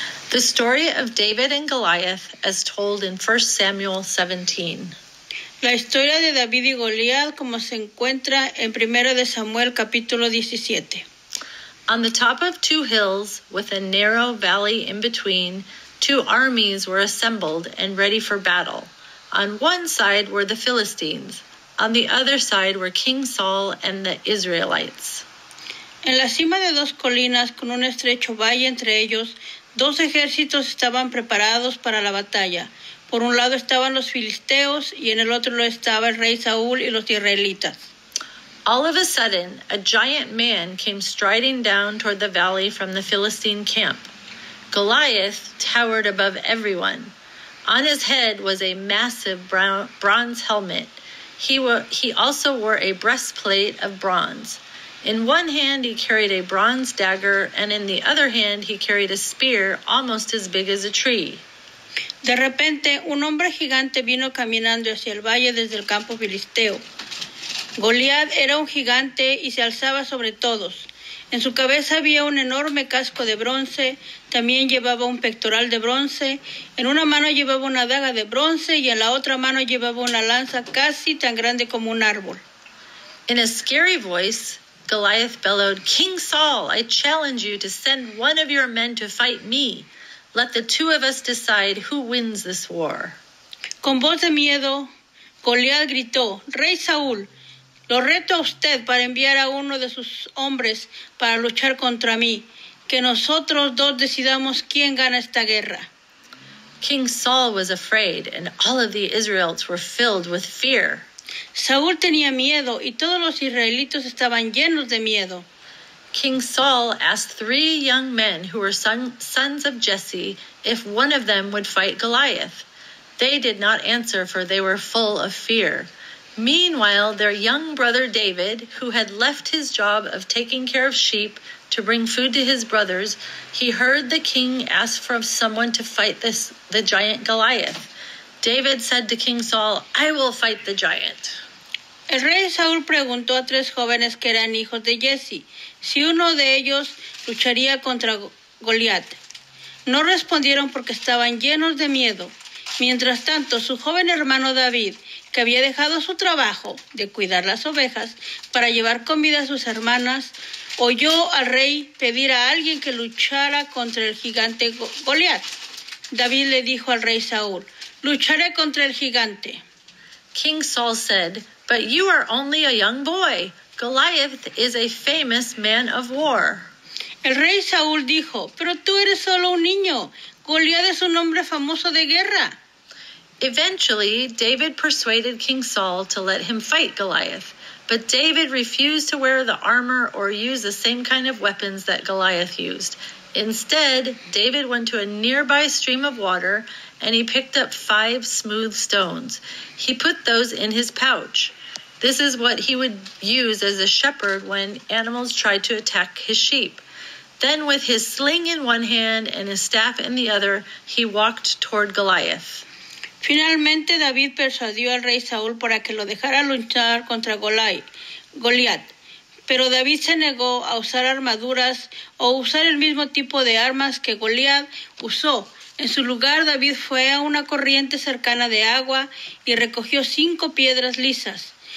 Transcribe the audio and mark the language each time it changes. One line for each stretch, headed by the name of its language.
English: The story of David and Goliath as told in 1 Samuel 17.
Spanish: La historia de David y Goliat como se encuentra en 1 de Samuel capítulo 17.
English: On the top of two hills with a narrow valley in between, two armies were assembled and ready for battle. On one side were the Philistines. On the other side were King Saul and the Israelites.
Spanish: En la cima de dos colinas, con un estrecho valle entre ellos, dos ejércitos estaban preparados para la batalla. Por un lado estaban los filisteos, y en el otro lo estaba el rey Saúl y los israelitas.
English: All of a sudden, a giant man came striding down toward the valley from the Philistine camp. Goliath towered above everyone. On his head was a massive bronze helmet. He also wore a breastplate of bronze. In one hand, he carried a bronze dagger, and in the other hand, he carried a spear almost as big as a tree.
Spanish: De repente, un hombre gigante vino caminando hacia el valle desde el campo filisteo. Goliat era un gigante y se alzaba sobre todos. En su cabeza había un enorme casco de bronce, también llevaba un pectoral de bronce, en una mano llevaba una daga de bronce y en la otra mano llevaba una lanza casi tan grande como un árbol.
English: In a scary voice, Goliath bellowed, King Saul, I challenge you to send one of your men to fight me. Let the two of us decide who wins this war.
Spanish: Con voz de miedo, Goliath gritó, Rey Saúl, lo reto a usted para enviar a uno de sus hombres para luchar contra mí. Que nosotros dos decidamos quién gana esta guerra.
English: King Saul was afraid, and all of the Israelites were filled with fear.
Spanish: Saúl tenía miedo, y todos los israelitos estaban llenos de miedo.
English: King Saul asked three young men who were sons of Jesse if one of them would fight Goliath. They did not answer, for they were full of fear. Meanwhile, their young brother David, who had left his job of taking care of sheep to bring food to his brothers, he heard the king ask for someone to fight the giant Goliath. David said to King Saul, "I will fight the giant."
Spanish: El rey Saúl preguntó a tres jóvenes que eran hijos de Jesse si uno de ellos lucharía contra Goliat. No respondieron porque estaban llenos de miedo. Mientras tanto, su joven hermano David, que había dejado su trabajo de cuidar las ovejas para llevar comida a sus hermanas, oyó al rey pedir a alguien que luchara contra el gigante Goliat. David le dijo al rey Saúl, "Lucharé contra el gigante."
English: King Saul said, "But you are only a young boy. Goliath is a famous man of war."
Spanish: El rey Saúl dijo, "Pero tú eres solo un niño. Goliath es un hombre famoso de guerra."
English: Eventually, David persuaded King Saul to let him fight Goliath. But David refused to wear the armor or use the same kind of weapons that Goliath used. Instead, David went to a nearby stream of water and he picked up 5 smooth stones. He put those in his pouch. This is what he would use as a shepherd when animals tried to attack his sheep. Then with his sling in one hand and his staff in the other, he walked toward Goliath.
Spanish: Finalmente, David persuadió al rey Saúl para que lo dejara luchar contra Goliat. Pero David se negó a usar armaduras o usar el mismo tipo de armas que Goliat usó. En su lugar, David fue a una corriente cercana de agua y recogió 5 piedras lisas.